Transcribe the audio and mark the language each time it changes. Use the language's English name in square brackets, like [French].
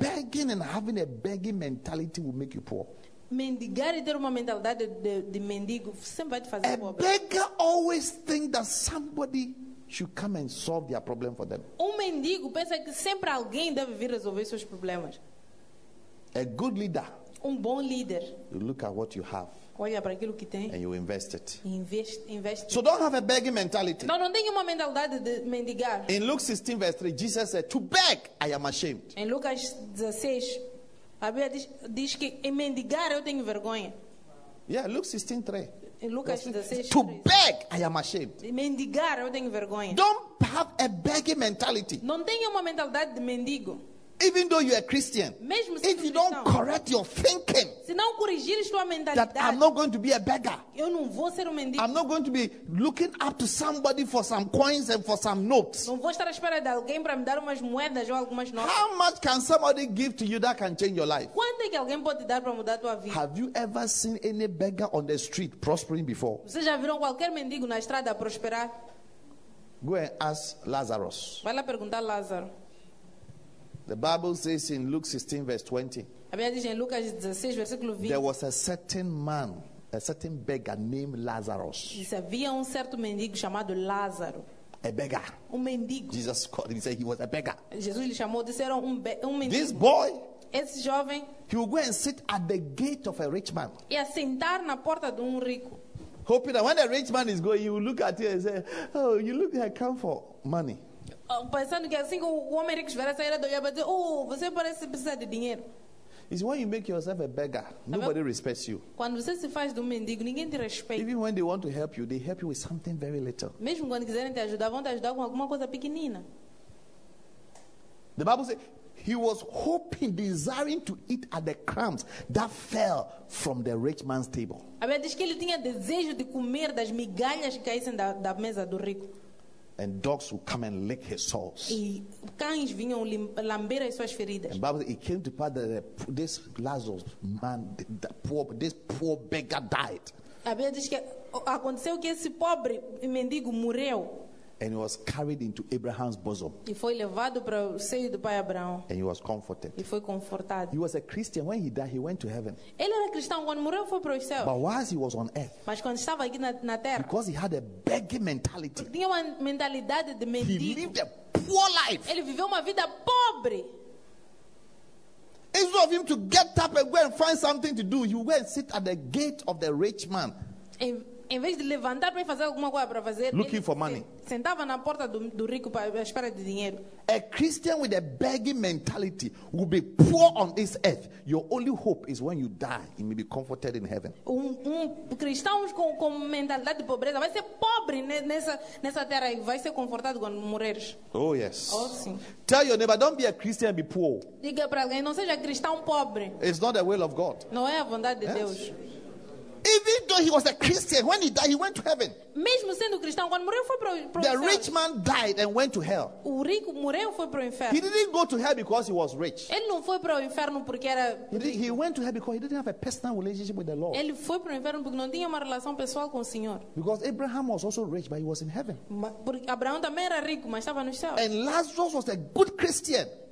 [English] Begging and having a begging mentality will make you poor. [Portuguese] Mendigar e ter uma mentalidade de mendigo sempre vai te fazer pobre. [English] A beggar always think that somebody should come and solve their problem for them. [Portuguese] Um mendigo pensa que sempre alguém deve vir resolver seus problemas. [English] A good leader, [Portuguese] um bom líder, [English] you look at what you have, [Portuguese] olha para aquilo que tem, [English] and you invest it. [Portuguese] Investe. [English] So don't have a begging mentality. [Portuguese] Não tenha uma mentalidade de mendigar. [English] In Luke 16 verse 3, Jesus said, "To beg, I am ashamed." [Portuguese] Em Lucas 16, a Bíblia diz que em mendigar eu tenho vergonha. [English] Yeah, Luke 16 3. [Portuguese] Em Lucas 16, [English] to beg, I am ashamed. [Portuguese] Mendigar, eu tenho vergonha. [English] Don't have a begging mentality. [Portuguese] Não tenha uma mentalidade de mendigo. [English] Even though you are Christian, [Portuguese] mesmo [English] if you don't correct your thinking, [Portuguese] se não corrigires tua mentalidade, [English] that I'm not going to be a beggar, [Portuguese] eu não vou ser mendigo. [English] I'm not going to be looking up to somebody for some coins and for some notes. [Portuguese] Não vou estar à espera de alguém para me dar umas moedas ou algumas notas. [English] How much can somebody give to you that can change your life? [Portuguese] Quanto é que alguém pode dar para mudar tua vida? [English] Have you ever seen any beggar on the street prospering before? [Portuguese] Vocês já viram qualquer mendigo na estrada prosperar? [English] Go and ask Lazarus. [Portuguese] Vai lá perguntar a Lázaro. [English] The Bible says in Luke 16 verse 20, [Portuguese] a Bíblia diz em Lucas 16, versículo 20, [English] there was a certain man, a certain beggar named Lazarus. [Portuguese] Diz, havia certo mendigo chamado Lázaro. [English] A beggar. [Portuguese] Mendigo. [English] Jesus called him, he said he was a beggar. [Portuguese] Jesus lhe chamou, disse, era mendigo. [English] This boy, [Portuguese] esse jovem, [English] he would go and sit at the gate of a rich man. [Portuguese] Ia sentar na porta de rico. [English] Hoping that when a rich man is going, he will look at you and say, "Oh, you look like I come for money." [Portuguese] Pensando que assim que o homem rico estivesse saindo, ele ia dizer, oh, você parece precisar de dinheiro. [English] It's when you make yourself a beggar, nobody respects you. [Portuguese] Quando você se faz de mendigo, ninguém te respeita. [English] Even when they want to help you with something very little. [Portuguese] Mesmo quando quiserem te ajudar, vão te ajudar com alguma coisa pequenina. [English] The Bible says, he was hoping, desiring to eat at the crumbs that fell from the rich man's table. [Portuguese] A Bíblia diz que ele tinha desejo de comer das migalhas que caíssem da mesa do rico. [English] And dogs would come and lick his sores. [Portuguese] E cães vinham lamber as suas feridas. [English] And Bible, it came to pass that this Lazarus man, this poor beggar died. [Portuguese] A Bíblia diz que aconteceu que esse pobre mendigo morreu. [English] And he was carried into Abraham's bosom. [Portuguese] E foi levado para o seio do pai Abraão. [English] And he was comforted. [Portuguese] E foi confortado. [English] He was a Christian. When he died, he went to heaven. [Portuguese] Ele era cristão. Quando morreu, foi para os céus. [English] But whilst he was on earth, [Portuguese] mas quando estava aqui na terra, [English] because he had a begging mentality, [Portuguese] tinha uma mentalidade de mendigo, [English] he lived a poor life. [Portuguese] Ele viveu uma vida pobre. [English] Instead of him to get up and go and find something to do, he went sit at the gate of the rich man. [Portuguese] Em vez de levantar para fazer alguma coisa para fazer, [English] looking for money, [Portuguese] sentava na porta do rico para esperar de dinheiro. [English] A Christian with a begging mentality will be poor on this earth. Your only hope is when you die, you may be comforted in heaven. [Portuguese] Um cristão com mentalidade de pobreza vai ser pobre nessa terra e vai ser confortado quando morreres. [English] Oh yes. [Portuguese] Oh sim. [English] Tell your neighbor, don't be a Christian and be poor. [Portuguese] Diga para alguém, não seja cristão pobre. [English] It's not the will of God. [Portuguese] Não é a vontade de Deus. [English] Even though he was a Christian, when he died, he went to heaven. [Portuguese] Mesmo sendo cristão, quando morreu foi para o inferno. [English] The rich man died and went to hell. [Portuguese] O rico morreu foi para o inferno. [English] He didn't go to hell because he was rich. [Portuguese] Ele não foi para o inferno porque era rico. [English] He went to hell because he didn't have a personal relationship with the Lord. [Portuguese] Ele foi para o inferno porque não tinha uma relação pessoal com o Senhor. [English] Because Abraham was also rich, but he was in heaven. [Portuguese] Porque Abraão também era rico, mas estava no céu. [English] And Lazarus was a good Christian.